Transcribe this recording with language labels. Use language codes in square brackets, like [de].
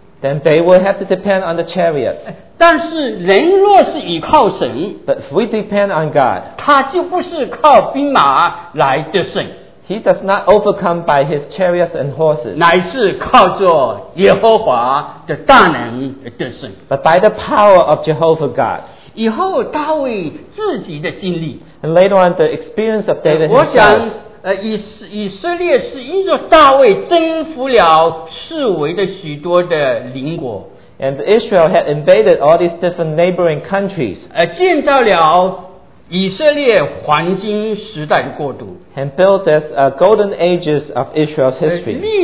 [en] then they will have to depend on the chariot. [zh] 但是人若是依靠神, [en] but if we depend on God, [zh] 他就不是靠兵马来得胜, [en] he does not overcome by his chariots and horses, [zh] 乃是靠着耶和华的大能得胜, [en] but by the power of Jehovah God. [zh] 以后大卫自己的经历, [en] and later on the experience of David himself, [zh] 我想, 以色列是因着大卫征服了四围的许多的邻国, [en] and Israel had invaded all these different neighboring countries, [zh] 建造了以色列黄金时代的国度, [en] and built this golden ages of Israel's history.